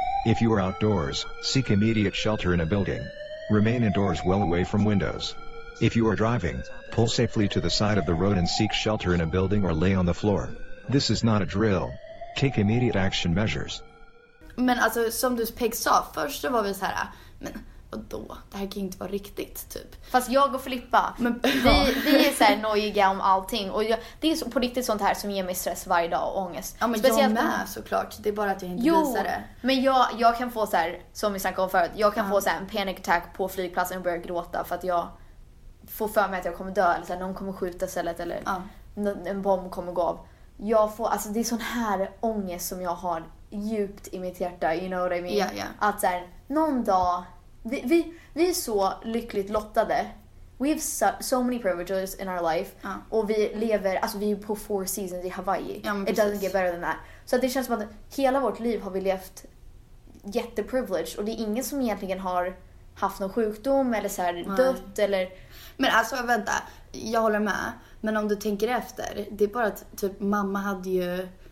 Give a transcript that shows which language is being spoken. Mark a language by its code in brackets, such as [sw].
[en] If you are outdoors, seek immediate shelter in a building. Remain indoors well away from windows. If you are driving, pull safely to the side of the road and seek shelter in a building or lay on the floor. This is not a drill. Take immediate action measures. [sv] Men alltså, som du pekade sa, först var vi så här, men vadå? Det här kan inte vara riktigt, typ. Fast jag och Filippa, men, vi är så här nojiga om allting. Och det är på riktigt sånt här som ger mig stress varje dag och ångest. Ja, men speciellt jag med, såklart. Det är bara att jag inte visar det. Men jag kan få så här, som vi snackade om förut, jag kan få så här en [en] panic attack [sv] på flygplatsen och börja gråta för att jag... får för mig att jag kommer dö eller så här, någon kommer skjuta stället eller en bomb kommer gå av. Jag får, alltså det är sån här ångest som jag har djupt i mitt hjärta, [en] you know what I mean? Yeah. [sv] Att så här, någon dag vi är så lyckligt lottade. [en] We have so many privileges in our life. [sv] Och vi lever, alltså vi är på Four Seasons i Hawaii. [en] It doesn't get better than that. [sv] Så att det känns som att hela vårt liv har vi levt jätteprivileged och det är ingen som egentligen har haft någon sjukdom eller så här dött eller... Men alltså vänta, jag håller med. Men om du tänker efter, det är bara att typ mamma hade ju...